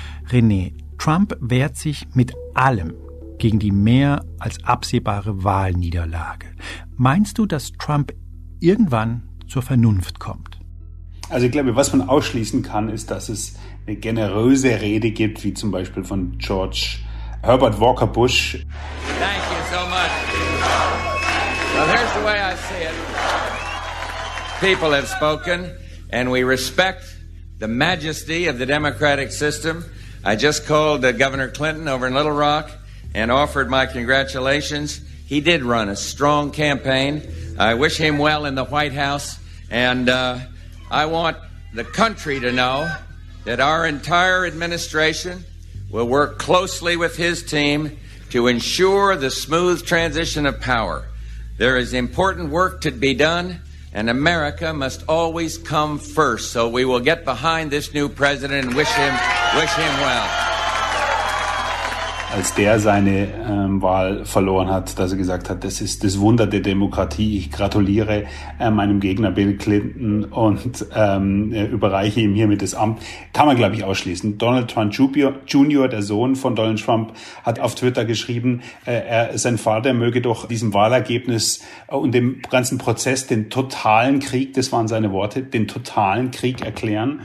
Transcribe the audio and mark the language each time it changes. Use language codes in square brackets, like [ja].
[de] René, Trump wehrt sich mit allem gegen die mehr als absehbare Wahlniederlage. Meinst du, dass Trump irgendwann zur Vernunft kommt? Also ich glaube, was man ausschließen kann, ist, dass es eine generöse Rede gibt, wie zum Beispiel von George Herbert Walker Bush. [en] Thank you so much. Well, here's the way I see it. People have spoken and we respect the majesty of the democratic system. I just called Governor Clinton over in Little Rock and offered my congratulations. He did run a strong campaign. I wish him well in the White House. And I want the country to know that our entire administration will work closely with his team to ensure the smooth transition of power. There is important work to be done, and America must always come first. So we will get behind this new president and wish him well. [de] Als der seine Wahl verloren hat, dass er gesagt hat, das ist das Wunder der Demokratie. Ich gratuliere meinem Gegner Bill Clinton und überreiche ihm hiermit das Amt. Kann man, glaube ich, ausschließen. Donald Trump Jr., der Sohn von Donald Trump, hat auf Twitter geschrieben, sein Vater möge doch diesem Wahlergebnis und dem ganzen Prozess den totalen Krieg, das waren seine Worte, den totalen Krieg erklären.